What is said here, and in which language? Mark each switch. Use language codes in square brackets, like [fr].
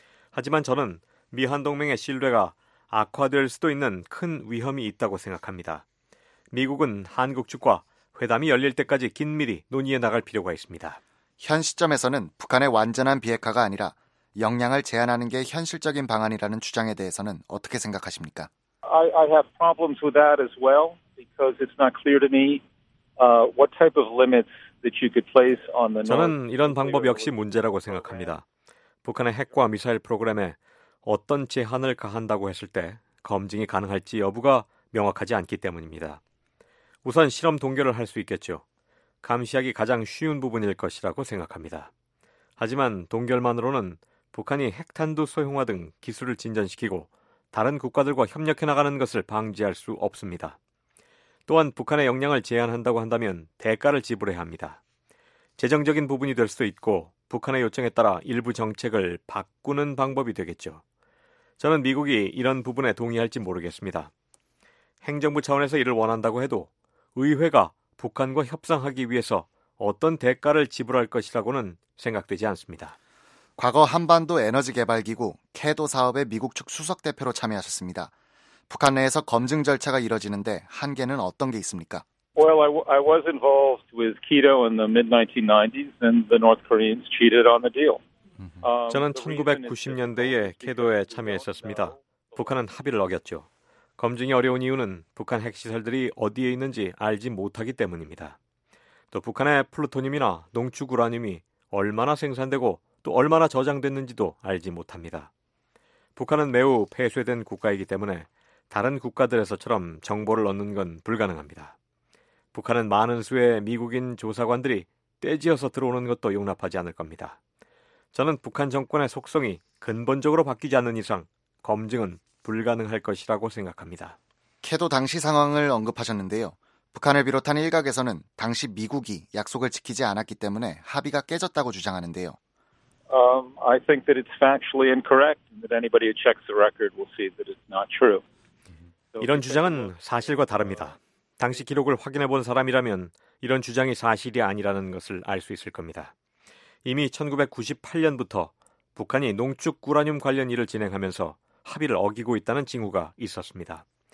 [ko] 하지만 저는 미한 동맹의 신뢰가 악화될 수도 있는 큰 위험이 있다고 생각합니다. 미국은 한국 측과 회담이 열릴 때까지 긴밀히 논의해 나갈 필요가 있습니다. 현 시점에서는 북한의 완전한 비핵화가 아니라 역량을 제한하는 게 현실적인 방안이라는 주장에 대해서는 어떻게 생각하십니까? [en] I have problems with that as well because it's not clear to me what type of limits that you could place on the [ko] 저는 이런 방법 역시 문제라고 생각합니다. 북한의 핵과 미사일 프로그램에 어떤 제한을 가한다고 했을 때 검증이 가능할지 여부가 명확하지 않기 때문입니다. 우선 실험 동결을 할 수 있겠죠. 감시하기 가장 쉬운 부분일 것이라고 생각합니다. 하지만 동결만으로는 북한이 핵탄두 소형화 등 기술을 진전시키고 다른 국가들과 협력해 나가는 것을 방지할 수 없습니다. 또한 북한의 역량을 제한한다고 한다면 대가를 지불해야 합니다. 재정적인 부분이 될 수도 있고 북한의 요청에 따라 일부 정책을 바꾸는 방법이 되겠죠. 저는 미국이 이런 부분에 동의할지 모르겠습니다. 행정부 차원에서 이를 원한다고 해도 의회가 북한과 협상하기 위해서 어떤 대가를 지불할 것이라고는 생각되지 않습니다. 과거 한반도 에너지개발기구 캐도 사업에 미국 측 수석대표로 참여하셨습니다. 북한 내에서 검증 절차가 이뤄지는데 한계는 어떤 게 있습니까? [en] Well, I was involved with KEDO in the mid-1990s and the North Koreans cheated on the deal. [ko] 저는 1990년대에 캐도에 참여했었습니다. 북한은 합의를 어겼죠. 검증이 어려운 이유는 북한 핵시설들이 어디에 있는지 알지 못하기 때문입니다. 또 북한의 플루토늄이나 농축 우라늄이 얼마나 생산되고 또 얼마나 저장됐는지도 알지 못합니다. 북한은 매우 폐쇄된 국가이기 때문에 다른 국가들에서처럼 정보를 얻는 건 불가능합니다. 북한은 많은 수의 미국인 조사관들이 떼지어서 들어오는 것도 용납하지 않을 겁니다. 저는 북한 정권의 속성이 근본적으로 바뀌지 않는 이상 검증은 불가능할 것이라고 생각합니다. 캐도 당시 상황을 언급하셨는데요. 북한을 비롯한 일각에서는 당시 미국이 약속을 지키지 않았기 때문에 합의가 깨졌다고 주장하는데요. [en] I think that it's factually incorrect and that anybody who checks the record will see that it's not true. [ko] 이런 주장은 사실과 다릅니다. 당시 기록을 확인해 본 사람이라면 이런 주장이 사실이 아니라는 것을 알 수 있을 겁니다. 이미 1998년부터 북한이 농축 우라늄 관련 일을 진행하면서 합의를 어기고 있다는 징후가 있었습니다.